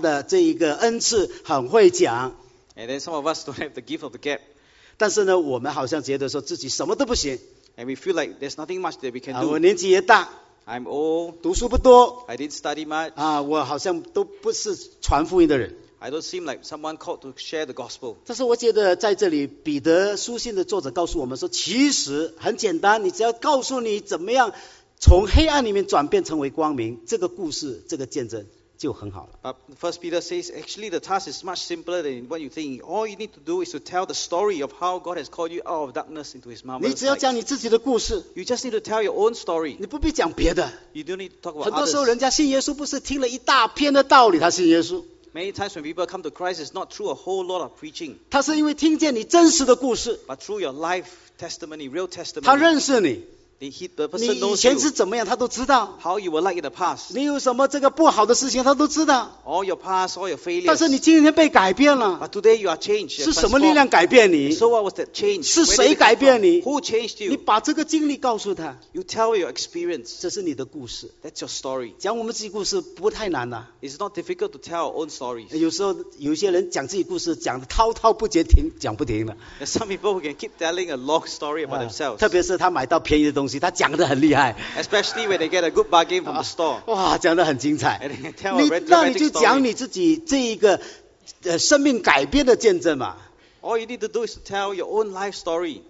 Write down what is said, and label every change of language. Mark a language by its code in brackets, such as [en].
[zh] 我们也不像其他的弟兄姐妹有这一种说话的这一个恩赐，很会讲。 [en] And then some of us don't have the gift of the gab. [zh] 但是呢，我们好像觉得说自己什么都不行。 [en] And we feel like there's nothing much that we can do. [zh] 我年纪也大。 [en] I'm old. [zh] 读书不多。 [en] I didn't study much. [zh] 我好像都不是传福音的人。 [en] I don't seem like someone called to share the gospel. [zh] 但是我觉得在这里彼得书信的作者告诉我们说，其实很简单，你只要告诉你怎么样从黑暗里面转变成为光明，这个故事，这个见证就很好了。 [en] But First Peter says, actually, the task is much simpler than what you think. All you need to do is to tell the story of how God has called you out of darkness into His marvelous light. [zh] 你只要讲你自己的故事。 [en] You just need to tell your own story. [zh] 你不必讲别的。 [en] You don't need to talk about others. [zh] 很多时候人家信耶稣不是听了一大篇的道理，他信耶稣。 [en] Many times when people come to Christ, it's not through a whole lot of preaching. [zh] 他是因为听见你真实的故事。 [en] But through your life testimony, real testimony. [zh] 他认识你。 [en] The person knows you. [zh] 你以前是怎么样，他都知道。 [en] How you were like in the past. [zh] 你有什么这个不好的事情，他都知道。 [en] All your past, all your failures. [zh] 但是你今天被改变了。 [en] But today you are changed. [zh] 是什么力量改变你？ [en] So what was that change? [zh] 是谁改变你？ [en] Who changed you? [zh] 你把这个经历告诉他。 [en] You tell your experience. [zh] 这是你的故事。 [en] That's your story. [zh] 讲我们自己故事不太难啊。 [en] It's not difficult to tell our own stories. [zh] 有时候有些人讲自己故事，讲的滔滔不绝，讲不停的。 [en] There's some people who can keep telling a long story about themselves. [zh] 特别是他买到便宜的东西。他讲得很厉害， [en] especially when they get a good bargain from the store. [zh] 哇，讲得很精彩。那你就讲你自己这一个 生命改变的见证嘛。 [en] All you need to do is to tell your own life story.